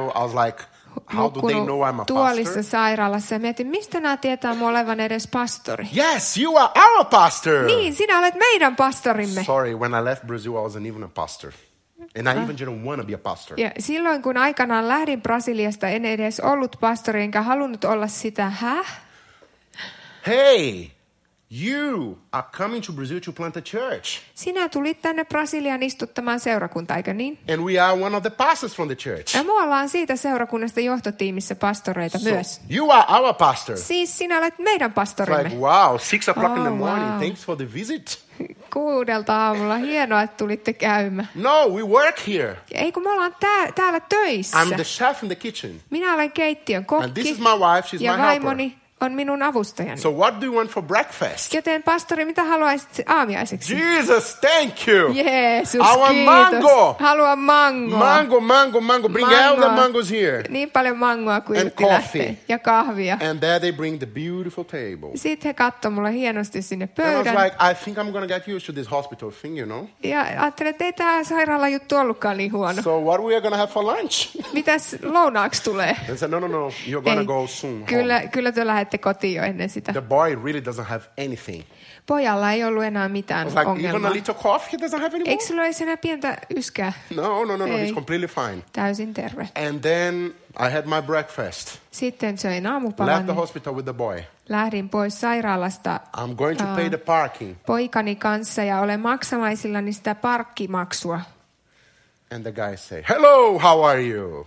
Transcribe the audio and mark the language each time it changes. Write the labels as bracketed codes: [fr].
[en] I was like, how do they know I'm a [fi] tuolissa [en] pastor? [fi] Sairaalassa ja mietin, mistä nämä tietää mun olevan edes pastori? [en] Yes, you are our pastor! [fi] Niin, sinä olet meidän pastorimme. [en] Sorry, when I left Brazil, I wasn't even a pastor. And I even didn't want to be a pastor. [fi] Ja silloin, kun aikanaan lähdin Brasiliasta, en edes ollut pastori, enkä halunnut olla sitä. Häh? [en] Hey! You are coming to Brazil to plant a church. [fi] Sinä tulit tänne Brasiliaan istuttamaan seurakuntaa, eikö niin? [en] And we are one of the pastors from the church. [fi] Ja me ollaan siitä seurakunnasta johtotiimissä pastoreita [en] so [fi] myös. [en] You are our pastor. [fi] Siis sinä olet meidän pastorimme. [en] It's like, wow, 6 o'clock in the morning, wow. Thanks for the visit. [fi] Kuudelta aamulla, hienoa, että tulitte käymään. [en] No, we work here. [fi] Ei, kun me ollaan täällä töissä. [en] I'm the chef in the kitchen. [fi] Minä olen keittiön kokki. [en] And this is my wife, she's [fi] ja [en] my helper. [fi] Ja on minun avustajani. [en] So what do you want for breakfast? [fi] Joten pastori, mitä haluaisit aamiaiseksi? [en] Jesus, thank you. [fi] Jeesus, [en] I want mango. [fi] Haluan mango. [en] Mango, mango, mango. Bring mango. All the mangoes here. [fi] Niin paljon mangoa kuin [en] and coffee. [fi] Ja kahvia. [en] And there they bring the beautiful table. [fi] Sitten he katto mulle hienosti sinne pöydän. [en] And I was like, I think I'm gonna get used to this hospital thing, you know? [fi] Ja ajattelin, että ei tämä sairaala juttu ollutkaan niin huono. [en] So what we are gonna have for lunch? [fi] Mitäs lounaaksi tulee? [en] They said, no, you're gonna go soon. [fi] Kyllä te lähdette kotiin jo ennen sitä. [en] The boy really doesn't have anything. [fi] Pojalla ei ollut enää mitään [en] like, [fi] ongelmaa. [en] Even a little cough, he doesn't have any more. [fi] Eikö sillä olisi enää pientä yskää? [en] No, he's completely fine. [fi] Täysin terve. [en] And then I had my breakfast. [fi] Sitten söin aamupalan. [en] Left the hospital with the boy. [fi] Lähdin pois sairaalasta. [en] I'm going to pay the parking. [fi] Poikani kanssa ja olen maksamaisillani sitä parkkimaksua. [en] And the guy say, "Hello, how are you?"